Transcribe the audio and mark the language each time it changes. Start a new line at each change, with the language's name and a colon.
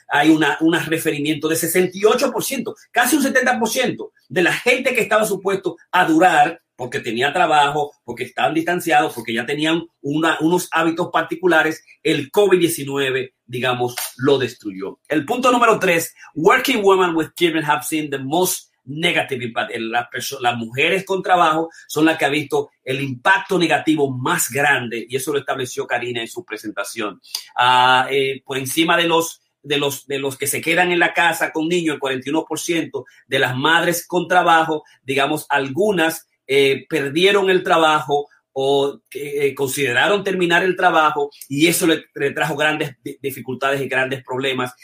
Spanish: Hay un referimiento de 68%, casi un 70% de la gente que estaba supuesto a durar porque tenía trabajo, porque estaban distanciados, porque ya tenían unos hábitos particulares, el COVID-19, digamos, lo destruyó. El punto número 3,
English: working women with children have seen the most negative impact.
Spanish: Las mujeres con trabajo son las que han visto el impacto negativo más grande, y eso lo estableció Karina en su presentación. Por encima de los de los que se quedan en la casa con niños, el 41% de las madres con trabajo, digamos, algunas perdieron el trabajo o consideraron terminar el trabajo, y eso le trajo grandes dificultades y grandes problemas.